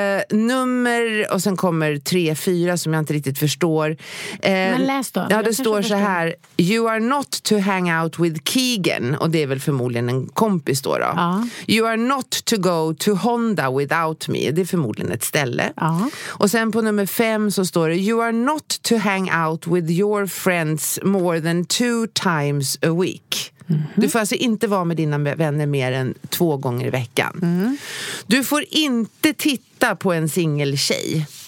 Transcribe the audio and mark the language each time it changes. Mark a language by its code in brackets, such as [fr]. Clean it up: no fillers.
[sv] Nummer, och sen kommer 3-4 som jag inte riktigt förstår. Men läs då. Ja, det står så här. [en] You are not to hang out with Keegan. [sv] Och det är väl förmodligen en kompis då. Ja. [en] You are not to go to Honda without me. [sv] Det är förmodligen ett ställe. Ja. Och sen på nummer 5 så står det. [en] You are not to hang out with your friends more than 2 times a week. Mm-hmm. [sv] Du får alltså inte vara med dina vänner mer än 2 gånger i veckan. Mm. Du får inte titta på en singeltjej.